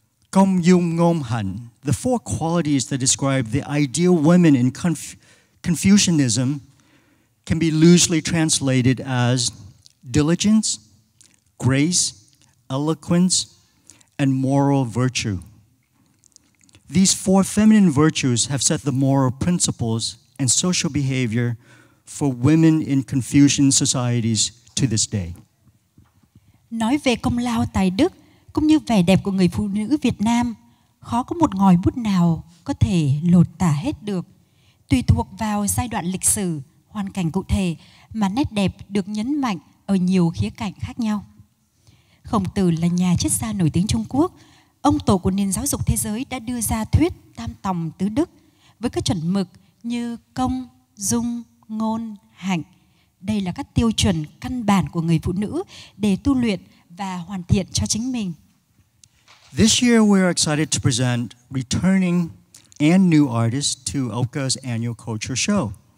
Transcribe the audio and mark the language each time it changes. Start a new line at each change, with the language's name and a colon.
English: Công Dung Ngôn Hạnh, the four qualities that describe the ideal women in Confucianism, can be loosely translated as diligence, grace, eloquence, and moral virtue. These four feminine virtues have set the moral principles and social behavior for women in Confucian societies to this day.
Vietnamese: Nói về công lao tài đức cũng như vẻ đẹp của người phụ nữ Việt Nam, khó có một ngòi bút nào có thể lột tả hết được. Tùy thuộc vào giai đoạn lịch sử, hoàn cảnh cụ thể mà nét đẹp được nhấn mạnh ở nhiều khía cạnh khác nhau. Khổng Tử là nhà triết gia nổi tiếng Trung Quốc. Ông tổ của nền giáo dục thế giới đã đưa ra thuyết Tam Tòng Tứ Đức với các chuẩn mực như công, dung, ngôn, hạnh. Đây là các tiêu chuẩn căn bản của người phụ nữ để tu luyện và hoàn thiện cho chính mình.
English: This year we are excited to present returning and new artists to OCA's annual culture show.